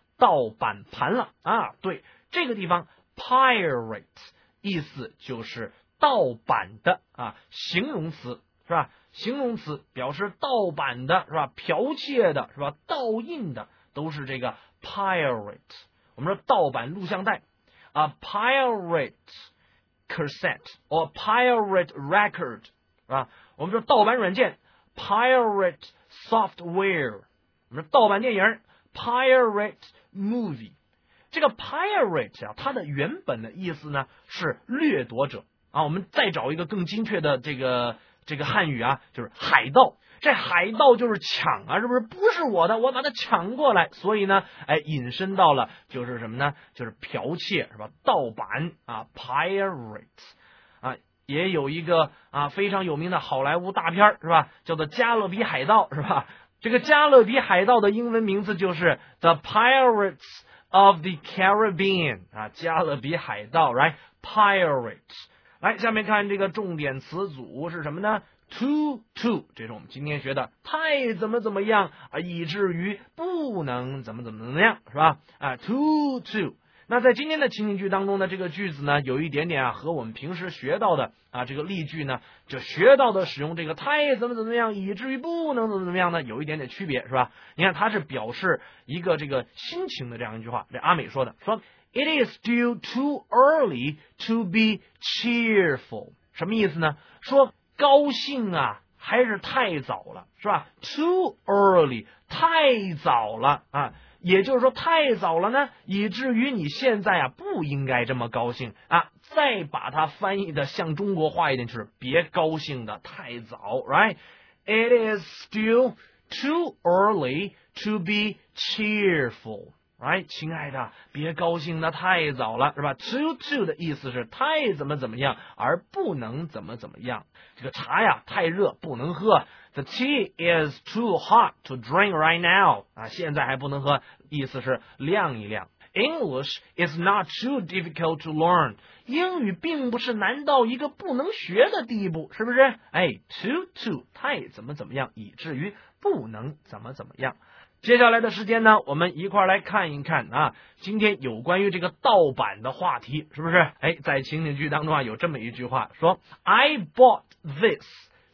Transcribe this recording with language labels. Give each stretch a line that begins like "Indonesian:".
Chinese: 盗版盘了啊。对，这个地方Pirate 意思就是盗版的啊，形容词是吧？形容词表示盗版的是吧？剽窃的是吧？盗印的都是这个 pirate。我们说盗版录像带 ，
English: a pirate cassette or pirate record
Chinese: 是吧？我们说盗版软件 pirate software。我们说盗版电影 pirate movie。这个 pirate 啊，它的原本的意思呢是掠夺者啊。我们再找一个更精确的这个汉语啊，就是海盗。这海盗就是抢啊，是不是？不是我的，我把它抢过来。所以呢，哎，引申到了就是什么呢？就是剽窃是吧？盗版啊 ，pirate 啊，也有一个啊非常有名的好莱坞大片是吧？叫做《加勒比海盗》是吧？这个《加勒比海盗》的英文名字就是 The Pirates。
English: Of the Caribbean 啊，加勒比海盗 ，right? Pirate。
Chinese: 来，下面看这个重点词组是什么呢 ？Too， 这是我们今天学的，太怎么怎么样啊，以至于不能怎么怎么怎么样，是吧？啊 ，too。那在今天的情景剧当中呢，这个句子呢，有一点点啊，和我们平时学到的啊这个例句呢，就学到的使用这个太怎么怎么样，以至于不能怎么怎么样呢，有一点点区别，是吧？你看，它是表示一个这个心情的这样一句话。这阿美说的，说
English: It is still too early to be cheerful，
Chinese: 什么意思呢？说高兴啊，还是太早了，是吧 ？
English: Too early，
Chinese: 太早了啊。也就是说太早了呢，以至于你现在啊不应该这么高兴啊。再把它翻译的像中国话一点，就是别高兴的太早 ，
English: right？It is still too early to be cheerful，right？
Chinese: 亲爱的，别高兴的太早了，是吧 ？Too 的意思是太怎么怎么样，而不能怎么怎么样。这个茶呀太热，不能喝。
English: The tea is too hot to drink right now.
Chinese: 啊，现在还不能喝，意思是晾一晾。
English: English is not too difficult to learn.
Chinese: 英语并不是难到一个不能学的地步，是不是？哎 ，too 太怎么怎么样，以至于不能怎么怎么样。接下来的时间呢，我们一块来看一看啊，今天有关于这个盗版的话题，是不是？哎，在情景剧当中啊，有这么一句话说 ，
English: I bought this.